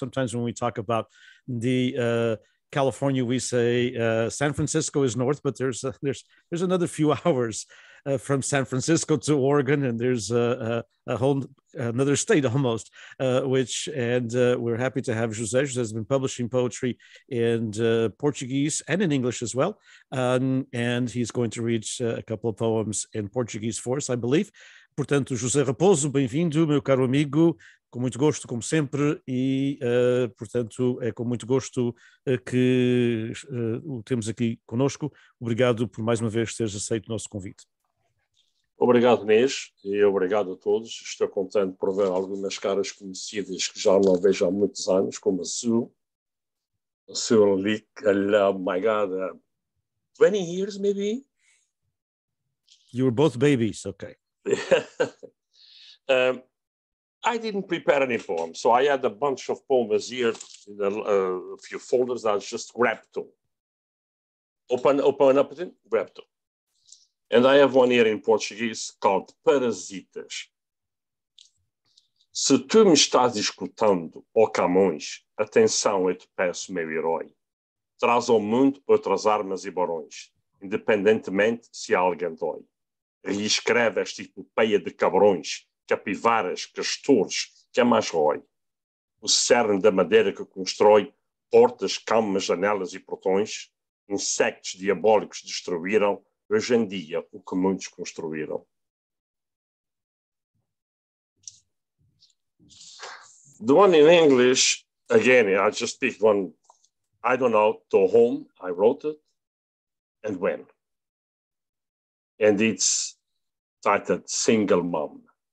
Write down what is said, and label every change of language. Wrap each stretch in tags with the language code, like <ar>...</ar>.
<en>Sometimes when we talk about the California, we say San Francisco is north, but there's another few hours from San Francisco to Oregon, and there's another state almost, we're happy to have José. José has been publishing poetry in Portuguese and in English as well, and he's going to read a couple of poems in Portuguese for us, I believe.</en> <pt>Portanto, José Raposo, bem-vindo, meu caro amigo, com muito gosto, como sempre, e, portanto, é com muito gosto que o temos aqui conosco. Obrigado por mais uma vez teres aceito o nosso convite. Obrigado, Inês, e obrigado a todos. Estou contente por ver algumas caras conhecidas que já não vejo há muitos anos, como a Sue.</pt> <en>A Sue Lick, oh my God, 20 years, maybe? You were both babies, okay. I didn't prepare any poems, so I had a bunch of poems here in a few folders that I just grabbed to. Open up, grab to. And I have one here in Portuguese called Parasitas.</en> <pt>Se tu me estás escutando, ó Camões, atenção, eu te peço, meu herói. Traz ao mundo outras armas e barões, independentemente se alguém dói. Reescreve esta epopeia de cabrões, capivaras, castores, que é mais rói. O cerne da madeira que constrói portas, camas, janelas e portões, insectos diabólicos destruíram hoje em dia o que muitos construíram.</pt> <en>The one in English, again, I just speak one, I don't know, to whom I wrote it and when. And it's titled Single Mom.</en>